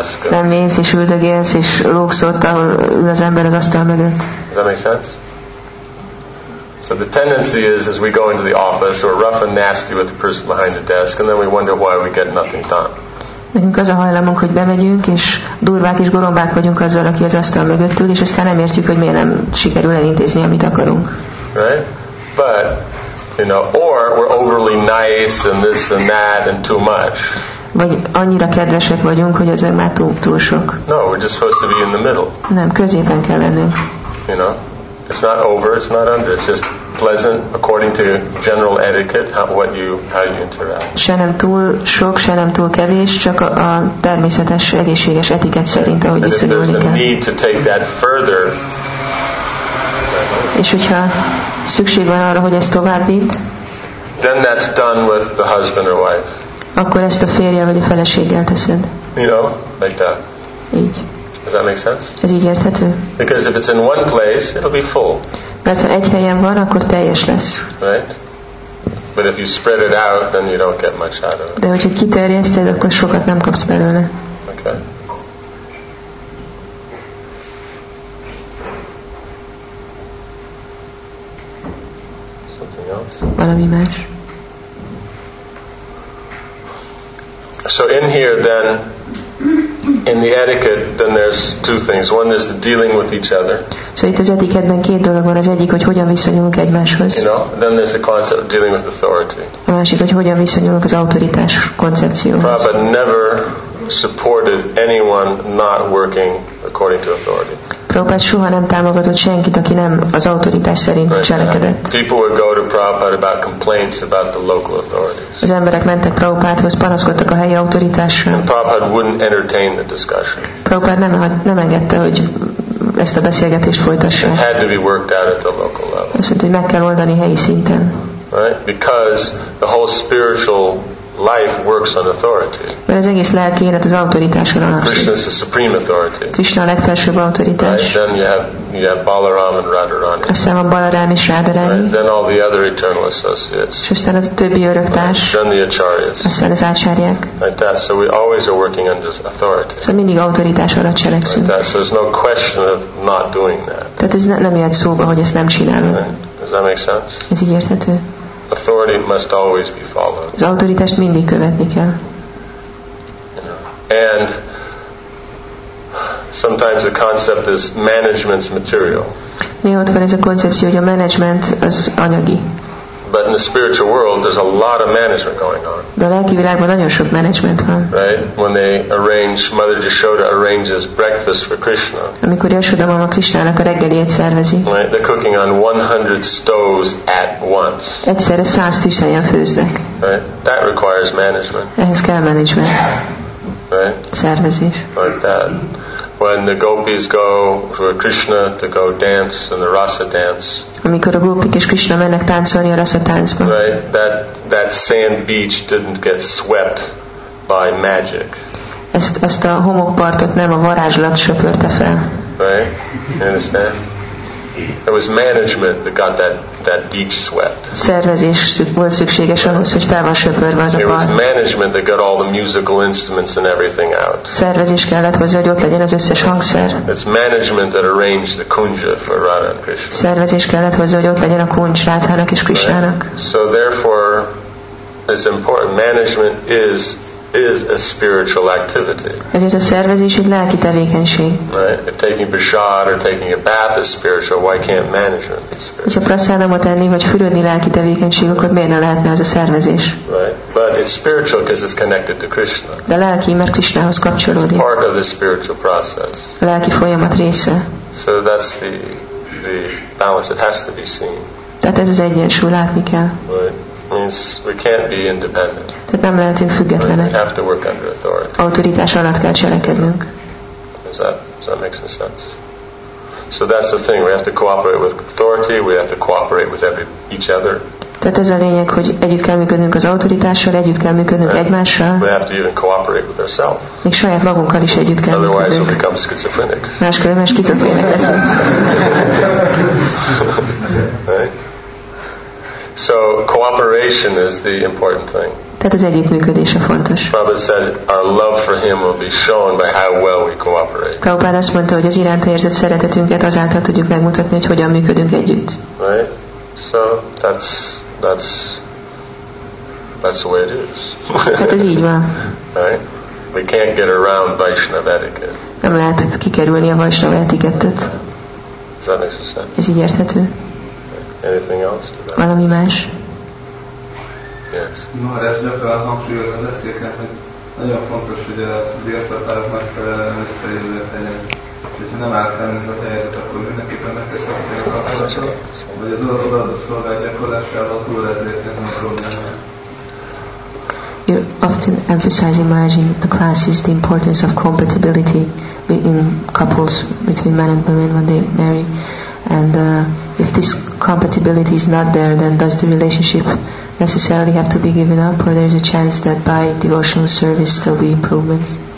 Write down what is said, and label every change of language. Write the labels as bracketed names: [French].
[Hungarian] Nem mész és üldögélsz és lógsz ott, ahol ül az ember az asztal mögött. [English] Does that make sense? So the tendency is, as we go into the office, we're rough and nasty with the person behind the desk, and then we wonder why we get nothing done. [Hungarian] Nekünk az a hajlamunk, hogy bemegyünk, és durvák és gorombák vagyunk azzal, aki az asztal mögött ül, és aztán nem értjük, hogy miért nem sikerül elintézni, amit akarunk. [English] Right? But, you know, or we're overly nice and this and that and too much. [Hungarian] Vagy annyira kedvesek vagyunk, hogy ez meg már túl sok. [English] No, we're just supposed to be in the middle. [Hungarian] Nem, középen kell lennünk. [English] You know? It's not over, it's not under, it's just pleasant according to general etiquette how you interact. [Hungarian] Se nem túl sok, se nem túl kevés, csak a természetes, egészséges etikett szerint, ahogy viszonyulni kell. [English] And if there's a need to take that further. [Hungarian] És hogyha szükség van arra, hogy ezt tovább vitt, [English] then that's done with the husband or wife. [Hungarian] Akkor ezt a férjel vagy a feleséggel teszed. [English] You know, like that. [Hungarian] Így. [English] Does that make sense? [Hungarian] Ez így érthető? [English] Because if it's in one place, it'll be full. [Hungarian] Mert ha egy helyen van, akkor teljes lesz. [English] Right? But if you spread it out, then you don't get much out of it. [Hungarian] De hogyha kiterjeszted, akkor sokat nem kapsz belőle. [English] Okay. Something else? [Hungarian] Valami más. [English] So in here then, in the etiquette, then there's two things. One is dealing with each other. [Hungarian] So itt az etikettben két dolog van. Az egyik, hogy hogyan viszonyulunk egymáshoz. [English] You know, then there's the concept of dealing with authority. [Hungarian] A másik, hogy hogyan viszonyulunk az autoritás koncepcióhoz. [English] Prabhupada never supported anyone not working according to authority. [Hungarian] Prabhupada soha nem támogatott senkit, aki nem az autoritás szerint cselekedett. [English] People would go to Prabhupada about complaints about the local authorities. [Hungarian] Az emberek mentek Prabhupádhoz, panaszkodtak a helyi autoritásra. [English] Prabhupada wouldn't entertain the discussion. [Hungarian] Prabhupada nem engedte, hogy ezt a beszélgetést folytassák. [English] It had to be worked out at the local level. [Hungarian] Azt mondta, hogy meg kell oldani helyi szinten. [English] Right? Because the whole spiritual life works on authority. [Hungarian] Mert az egész lelki élet az autoritáson alapszik. [English] Krishna is the supreme authority. [Hungarian] Krishna a legfelsőbb autoritás. [English] Right? Then you have Balaram and Radharani. [Hungarian] Aztán van Balaram és Radharani. [English] Right? Then all the other eternal associates. [Hungarian] És aztán a többi öröktárs. [English] Right? Then the acharyas. [Hungarian] Aztán az ácsárják. [English] Like that. So we always are working under authority. [Hungarian] Szóval mindig autoritás alatt cselekszünk. [English] Like that. So there's no question of not doing that. [Hungarian] Tehát ez nem jött szóba, hogy ezt nem csinálod. [English] Right? Does that make sense? [Hungarian] Ez így érthető? [English] Authority must always be followed. [Hungarian] Az autoritást mindig követni kell. [English] And sometimes the concept is management's material. [Hungarian] Néha ott van ez a koncepció, hogy a management az anyagi. [English] But in the spiritual world, there's a lot of management going on. [Hungarian] De a lelki világban nagyon sok management van. [English] Right? When they arrange, Mother Jashoda arranges breakfast for Krishna. [Hungarian] Amikor Jashoda mama Krishnának a reggeliét szervezi. [English] Right? They're cooking on 100 stoves at once. [Hungarian] Egyszerre 100 tisztelyen főznek. [English] Right? That requires management. [Hungarian] Ehhez kell management. [English] Right? [Hungarian] Szervezés. [English] Like that. When the gopis go for Krishna to go dance and the rasa dance. [Hungarian] Amikor a gópik és Krishna mennek táncolni a rasa táncba. [English] Right, that sand beach didn't get swept by magic. [Hungarian] Ezt a homokpartot nem a varázslat söpörte fel. [English] Right, you understand? It was management that got that beach swept. [Hungarian] Szervezés volt szükséges ahhoz, hogy fel van söpörve az a part. [English] It was management that got all the musical instruments and everything out. [Hungarian] Szervezés kellett hozzá, hogy ott legyen az összes hangszer. [English] It's management that arranged the kunja for Radha and Krishna. [Hungarian] Szervezés kellett hozzá, hogy ott legyen a kunj Radhának és Krishnának. [English] So therefore, it's important. Management is a spiritual activity. [Hungarian] Ezért a szervezés egy lelki tevékenység. [English] Right? If taking prasad or taking a bath is spiritual, why can't management be spiritual? [Hungarian] Hogyha prasadamot enni vagy fürödni lelki tevékenység, akkor miért ne lehetne az a szervezés? [English] Right. But it's spiritual because it's connected to Krishna. [Hungarian] De lelki, mert Krishnához kapcsolódik. [English] It's part of the spiritual process. [Hungarian] A lelki folyamat része. [English] So that's the balance that has to be seen. [Hungarian] Tehát ez az egyensúly, látni kell. [English] Right. Means we can't be independent. [Hungarian] Tehát nem lehetünk függetlenek. [English] We have to work under authority. [Hungarian] Autoritás alatt kell cselekednünk. [English] Does that make some sense? So that's the thing. We have to cooperate with authority. We have to cooperate with each other. [Hungarian] Tehát ez a lényeg, hogy együtt kell működnünk az autoritással, együtt kell működnünk [English] and [Hungarian] egymással. [English] We have to even cooperate with ourselves. [Hungarian] Még saját magunkkal is együtt kell [English] otherwise [Hungarian] működnünk. [English] We'll become schizophrenic. [Hungarian] Máskülönben schizophrenic leszünk. [English] Right? So cooperation is the important thing. [Hungarian] Tehát az együttműködés a fontos. [English] Prabhupada said our love for him will be shown by how well we cooperate. [Hungarian] Prabhupada azt mondta, hogy az iránta érzett szeretetünket azáltal tudjuk megmutatni, hogy hogyan működünk együtt. [English] Right? So that's the way it is. [Hungarian] Hát ez így van. [English] Right? We can't get around Vaishnava etiquette. [Hungarian] Nem lehet kikerülni a Vaishnava etikettet. [English] Does that make sense? [Hungarian] Ez így érthető. [English] Anything else? [Hungarian] Valami más? [English] Yes. [Hungarian] No, a rezsnyakra hangsúlyozom leszéken, hogy nagyon fontos, hogy a délszatáraknak felelően összeillőt legyen. És ha nem áll fenn ez a helyzet, akkor mindenképpen meg kell szakítani a kapcsolatot, vagy az odaadó szolgált gyakorlásával túl lehet lépni ezen a problémát. [English] You're often emphasizing, Maharaj, in the classes the importance of compatibility in couples between men and women when they marry. And if this compatibility is not there, then does the relationship necessarily have to be given up, or there is a chance that by devotional service there will be improvements?